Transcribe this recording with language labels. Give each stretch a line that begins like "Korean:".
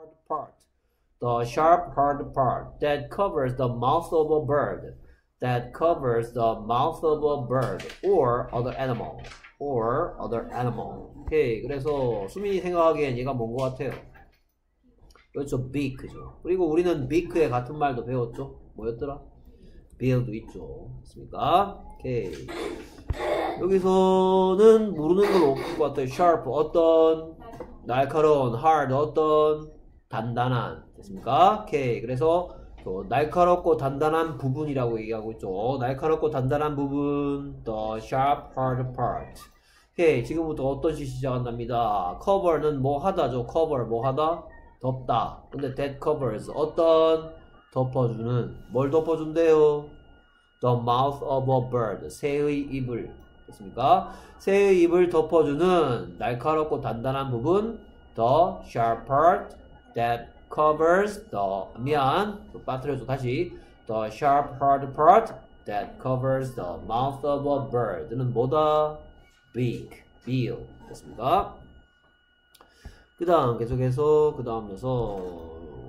English: part, the sharp hard part that covers the mouth of a bird, that covers the mouth of a bird or other animal, or other animal.
Korean: 오케이. 그래서 수민이 생각하기엔 얘가 뭔것 같아요? 그렇죠, 비크죠. 그리고 우리는 비크의 같은 말도 배웠죠. 뭐였더라? 빌도 있죠. 맞습니까? 오케이. 여기서는 모르는 걸로 올것 같아요. 샤프, 어떤 날카로운, 하드, 어떤 단단한. 됐습니까? 오케이. 그래서 또 날카롭고 단단한 부분이라고 얘기하고 있죠. 날카롭고 단단한 부분,
English: the sharp hard part.
Korean: 오케이. 지금부터 어떤 시 시작한답니다. cover는 뭐 하다죠. cover 뭐 하다? 덮다. 근데
English: that covers
Korean: 어떤 덮어주는, 뭘 덮어준대요?
English: The mouth of a bird.
Korean: 새의 입을. 됐습니까?
English: 새의 입을 덮어주는 날카롭고 단단한 부분, the sharp part that covers the, 미안, 빠뜨려줘, 다시. The sharp hard part that covers the mouth of a bird는
Korean: 뭐다?
English: Beak, bill.
Korean: 됐습니까? 그 다음, 계속해서, 그 다음 녀석.